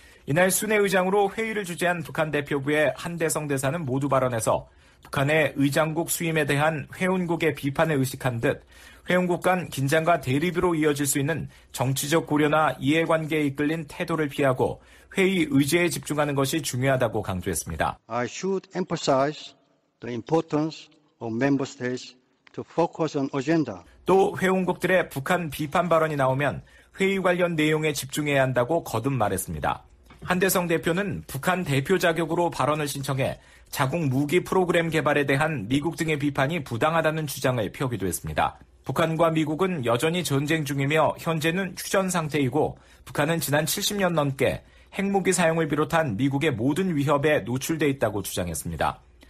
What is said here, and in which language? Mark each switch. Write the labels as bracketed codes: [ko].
[ko] 이날 순회 의장으로 회의를 주재한 북한 대표부의 한대성 대사는 모두 발언해서 북한의 의장국 수임에 대한 회원국의 비판을 의식한 듯 회원국 간 긴장과 대립으로 이어질 수 있는 정치적 고려나 이해관계에 이끌린 태도를 피하고 회의 의제에 집중하는 것이 중요하다고 강조했습니다. [en] I should emphasize the importance of member states to focus on agenda. [ko] 또 회원국들의 북한 비판 발언이 나오면 회의 관련 내용에 집중해야 한다고 거듭 말했습니다. 한대성 대표는 북한 대표 자격으로 발언을 신청해 자국 무기 프로그램 개발에 대한 미국 등의 비판이 부당하다는 주장을 펴기도 했습니다. 북한과 미국은 여전히 전쟁 중이며 현재는 휴전 상태이고 북한은 지난 70년 넘게 핵무기 사용을 비롯한 미국의 모든 위협에 노출돼 있다고 주장했습니다.